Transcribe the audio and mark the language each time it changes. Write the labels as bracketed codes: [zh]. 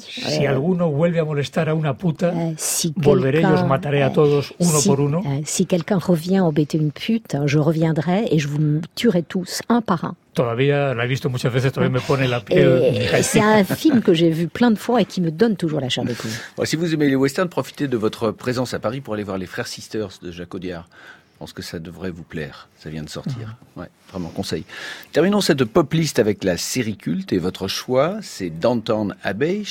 [es] Si alguno vuelve a molestar a una puta, si volveré y os mataré a todos uno si, por uno. [fr] Si quelqu'un revient embêter une pute, je reviendrai et je vous tuerai tous, un par un. [es] Todavía la he visto muchas veces, todavía me pone la piel. [fr] C'est un film que j'ai vu plein de fois et qui me donne toujours la chair de poule. Bon, si vous aimez les westerns, profitez de votre présence à Paris pour aller voir Les Frères Sisters de Jacques Audiard. Je pense que ça devrait vous plaire. Ça vient de sortir. Mmh. Ouais, vraiment conseil. Terminons cette pop liste avec la série culte et votre choix, c'est Downton Abbey.